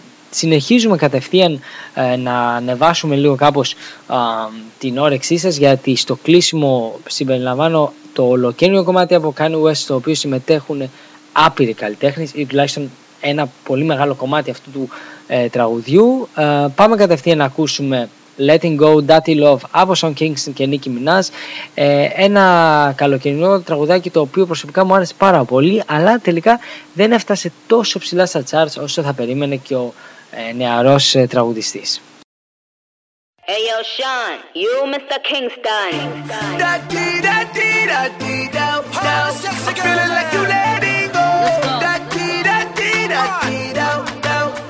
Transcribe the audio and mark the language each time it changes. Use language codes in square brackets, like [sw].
[el] Συνεχίζουμε κατευθείαν να ανεβάσουμε λίγο κάπως την όρεξή σας, γιατί στο κλείσιμο συμπεριλαμβάνω το ολοκαίνουριο κομμάτι από Kanye West, στο οποίο συμμετέχουν άπειροι καλλιτέχνες ή τουλάχιστον ένα πολύ μεγάλο κομμάτι αυτού του τραγουδιού. Πάμε κατευθείαν να ακούσουμε Letting Go, Daddy Love από Sean Kingston και Nicki Minaj. Ένα καλοκαιρινό τραγουδάκι το οποίο προσωπικά μου άρεσε πάρα πολύ, αλλά τελικά δεν έφτασε τόσο ψηλά στα charts όσο θα περίμενε και ο νεαρός τραγουδιστής. [en] Hey yo Sean, you Mr. Kingston. Daddy, daddy, daddy, down, down. I'm feeling like you letting go. Daddy, daddy, daddy, down, down.